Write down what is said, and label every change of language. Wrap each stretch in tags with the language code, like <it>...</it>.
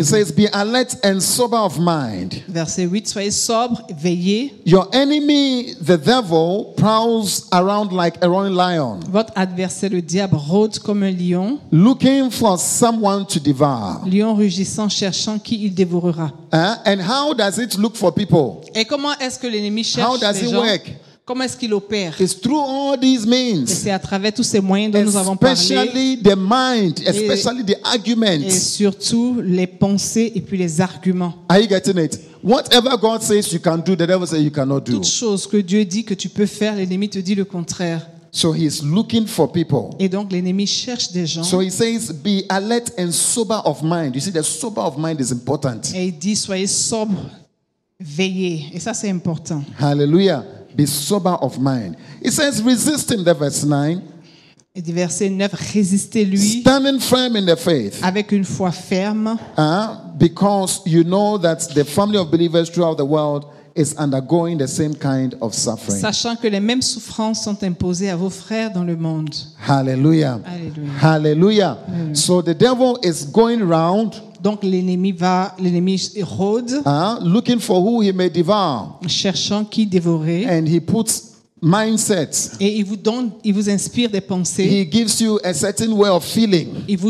<en>It says, be alert and sober of mind.</en> <fr>Verset 8, soyez sobre, veillez.</fr> <en>Your enemy, the devil, prowls around like a roaring lion.</en> <fr>Votre adversaire, le diable, rôde comme un lion.</fr> <en>Looking for someone to devour.</en> <fr>Lion rugissant, cherchant qui il dévorera.</fr> <en>And how does it look for people?</en> <fr>Et comment est-ce que l'ennemi cherche les gens?</fr> <en>How does it work?</en> <fr>Comment est-ce qu'il opère?</fr> <en>It's through all these means.</en> <fr>Et c'est à travers tous ces moyens dont</fr> <en>especially</en> <fr>nous avons parlé.</fr> <en>Especially the mind, especially the arguments.</en> <fr>Et surtout les pensées et puis les arguments.</fr> <en>Are you getting it? Whatever God says you can do, the devil says you cannot do.</en> <fr>Toute chose que Dieu dit que tu peux faire, l'ennemi te dit le contraire.</fr> <en>So he is looking for people.</en> <fr>Et donc l'ennemi cherche des gens.</fr> <en>So he says, be alert and sober of mind. You see, the sober of mind is important.</en> <fr>Et il dit, soyez sobre, veillez. Et ça, c'est important.</fr> <en>Hallelujah. Be sober of mind. It says, resist him, the verse 9.</en> <fr>Et verset 9, résistez-lui.</fr> <en>Standing firm in the faith.</en> <fr>Avec une foi ferme.</fr> <en>Because you know that the family of believers throughout the world is undergoing the same kind of suffering.</en> <fr>Sachant que les mêmes souffrances sont imposées à vos frères dans le monde. Hallelujah. Hallelujah. Hallelujah. Hallelujah.</fr> <en>So the devil is going round.</en> <fr>Donc l'ennemi rôde.</fr> <en>Looking for who he may devour.</en> <fr>Cherchant qui dévorer.</fr> <en>And he puts mindset.</en> <fr>Et il vous inspire des pensées.</fr> <en>He gives you a certain way of feeling.</en>